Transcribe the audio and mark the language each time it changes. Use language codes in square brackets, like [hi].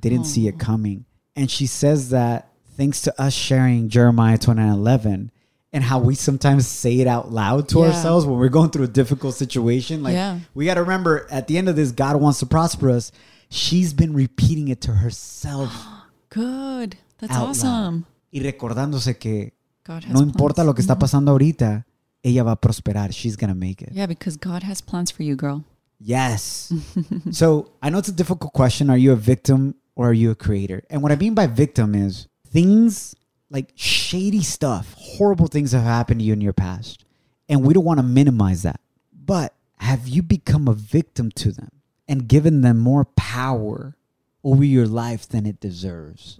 [en] Didn't see it coming. And she says that thanks to us sharing Jeremiah 29:11, and how we sometimes say it out loud to ourselves when we're going through a difficult situation. Like, we got to remember, at the end of this, God wants to prosper us. She's been repeating it to herself. Good. That's awesome. [es] Loud. Y recordándose que no importa lo que está pasando ahorita, ella va a prosperar. [en] She's going to make it. Yeah, because God has plans for you, girl. Yes. So I know it's a difficult question. Are you a victim or are you a creator? And what I mean by victim is things like shady stuff, horrible things have happened to you in your past. And we don't want to minimize that. But have you become a victim to them and given them more power over your life than it deserves?